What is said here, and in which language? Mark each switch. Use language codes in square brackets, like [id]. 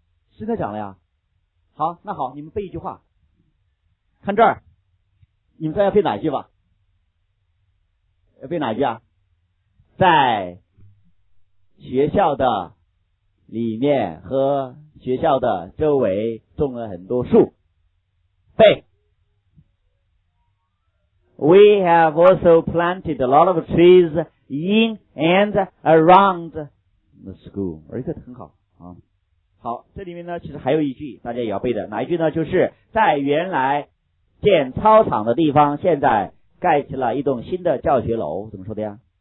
[zh] 现在讲了呀。好，那好，你们背一句话。看这儿，你们再要背哪句吧？要背哪句啊？在学校的里面和学校的周围种了很多树。背。 [en] We have also planted a lot of trees in and around the school. Very good， [zh] 很好、啊、好，这里面呢其实还有一句大家也要背的，哪一句呢？就是在原来建操场的地方，现在盖起了一栋新的教学楼，怎么说的呀？